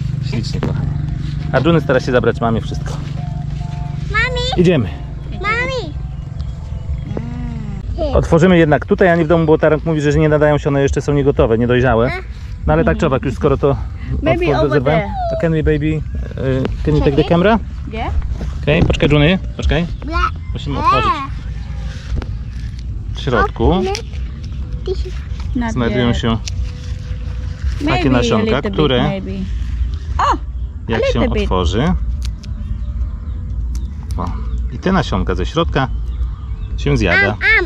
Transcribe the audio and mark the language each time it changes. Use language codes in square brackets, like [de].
[pl] Ślicznie, kochanie. A Juny stara się zabrać mamie wszystko. Mami! Idziemy. Mami! Otworzymy jednak tutaj, a nie w domu, bo taranek mówi, że nie nadają się, one jeszcze są niegotowe, niedojrzałe. No ale tak czy owak, już skoro to otworzę. [en] To can we baby, can you take the camera? Yeah. [pl] Okej, okay, poczekaj Juny, poczekaj. Musimy otworzyć. W środku. Znajdują się takie nasionka, które jak się otworzy, o, i te nasionka ze środka się zjada.